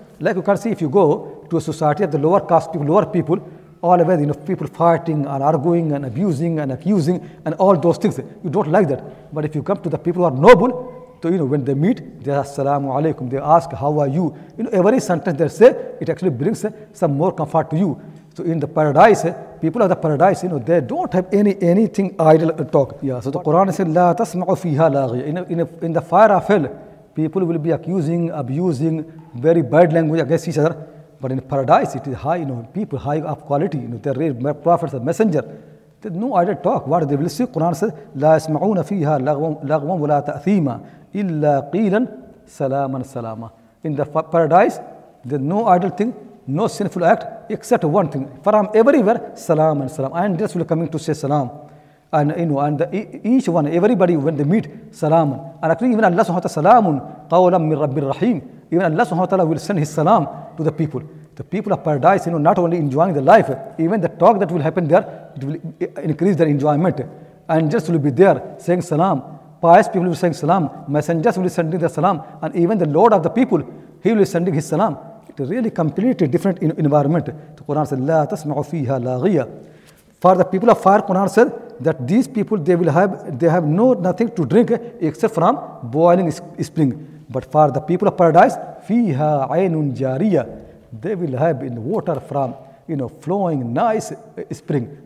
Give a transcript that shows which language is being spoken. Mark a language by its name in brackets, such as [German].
[English] Like, you can see if you go to a society of the lower caste, lower people, all over, you know, people fighting and arguing and abusing and accusing and all those things. You don't like that. But if you come to the people who are noble, so, you know, when they meet, they ask, Assalamu alaikum, they ask, how are you? You know, every sentence they say, it actually brings some more comfort to you. So, in the paradise, people of the paradise, you know, they don't have anything idle talk. Yeah, so the Quran says, [Arabic] لا تسمعوا فيها لاغية. [English] In the fire of hell, people will be accusing, abusing, very bad language against each other. But in paradise, it is high, you know, people high of quality, you know, they're real prophets and messengers. There's no idle talk. What they will see, Quran says, [Arabic] لا يسمعون فيها لغوا ولا تأثيما إلا قيلا سلاما سلاما. [English] In the paradise, there's no idle thing, no sinful act, except one thing. From everywhere, [Arabic] سلاما سلاما. [English] And just will coming to say salam. And, you know, and each one, everybody, when they meet, salam. And actually, even Allah SWT, salam, [Arabic] قولا من رب الرحيم. [English] Even Allah SWT will send His salam to the people. The people of paradise, you know, not only enjoying the life, even the talk that will happen there, it will increase their enjoyment. And just will be there saying salam. Pious people will be saying salam. Messengers will be sending their salam. And even the Lord of the people, He will be sending His salam. It is really completely different environment. The Quran says, [Arabic] لا تسمعوا فيها لاغية. [English] For the people of fire, Quran said that these people, they have nothing to drink except from boiling spring. But for the people of paradise, [Arabic] فيها عين جارية, [English] they will have in water from, you know, flowing nice spring.